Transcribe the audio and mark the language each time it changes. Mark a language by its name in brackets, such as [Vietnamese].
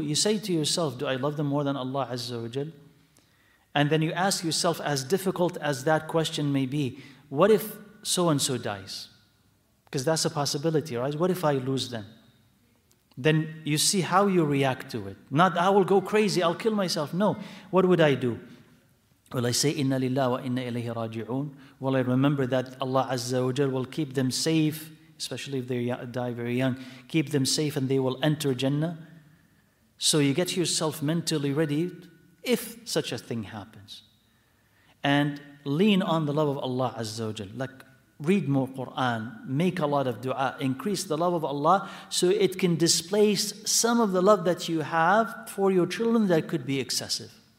[English] You say to yourself, do I love them more than Allah Azza wa Jal? And then you ask yourself, as difficult as that question may be, what if so-and-so dies? Because that's a possibility, right? What if I lose them? Then you see how you react to it. Not, I will go crazy, I'll kill myself. No, what would I do? Will I say, [Arabic] إِنَّ لِلَّهِ وَإِنَّ إِلَيْهِ رَاجِعُونَ? [English] Will I remember that Allah Azza wa Jal will keep them safe, especially if they die very young, keep them safe and they will enter Jannah? So you get yourself mentally ready if such a thing happens. And lean on the love of Allah Azza wa Jal. Like, read more Quran, make a lot of dua, increase the love of Allah so it can displace some of the love that you have for your children that could be excessive.